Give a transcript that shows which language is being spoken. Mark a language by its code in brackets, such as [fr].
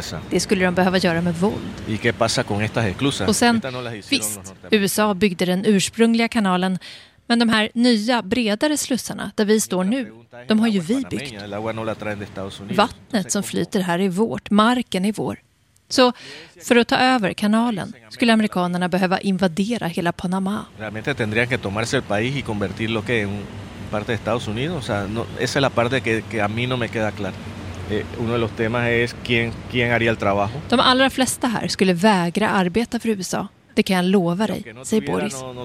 [sv] Det skulle de behöva göra med våld. Och sen, visst, USA byggde den ursprungliga kanalen. Men de här nya, bredare slussarna där vi står nu, de har ju vi byggt. Vattnet som flyter här är vårt, marken är vår. Så för att ta över kanalen skulle amerikanerna behöva invadera hela Panama. [es] Realmente tendrían que tomarse el país y convertirlo que en parte de Estados Unidos, o sea, no, esa es la parte que a mí no me queda claro. Uno de los temas es quién haría el trabajo. [sv] De allra flesta här skulle vägra arbeta för USA. Det kan jag lova dig, säger Boris.